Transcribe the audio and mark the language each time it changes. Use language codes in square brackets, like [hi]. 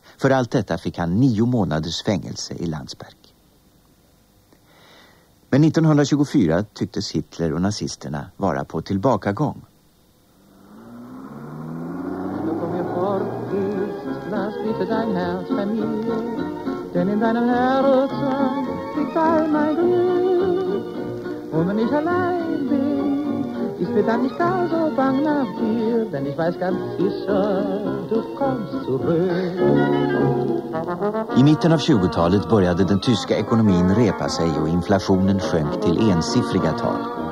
[sv] För allt detta fick han 9 månaders fängelse i Landsberg. Men 1924 tycktes Hitler och nazisterna vara på tillbakagång. Du kommer bort, du sysslas lite dig här familj. [de] Denn in deinem Herzen liegt all mein Glück. Und wenn ich allein bin, ich bin dann nicht gar so bang nach dir, denn ich weiß ganz sicher, du kommst zurück. [sv] I mitten av 20-talet började den tyska ekonomin repa sig och inflationen sjönk till ensiffriga tal.